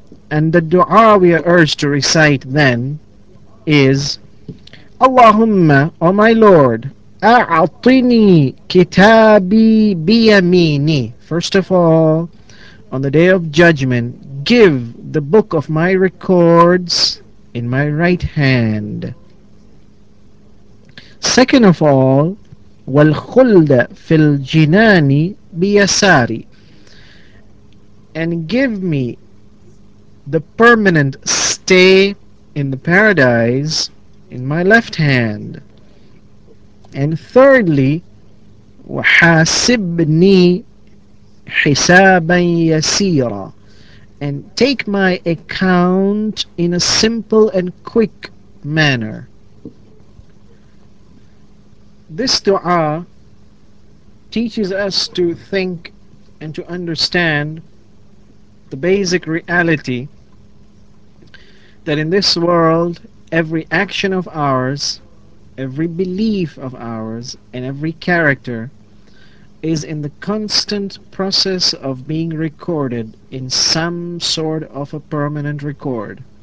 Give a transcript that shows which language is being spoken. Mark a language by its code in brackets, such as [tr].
[en] And the dua we are urged to recite then is, Allahumma, O my Lord, [ar] a'atini kitabi biyamini. [en] First of all, on the day of judgment, give the book of my records in my right hand. Second of all, [ar] وَالْخُلْدَ فِي الْجِنَانِ بِيَسَارِ. [en] And give me the permanent stay in the paradise in my left hand. And thirdly, [ar] وَحَاسِبْنِي حِسَابًا يَسِيرًا. [en] And take my account in a simple and quick manner. This dua teaches us to think and to understand the basic reality that in this world, every action of ours, every belief of ours, and every character is in the constant process of being recorded in some sort of a permanent record.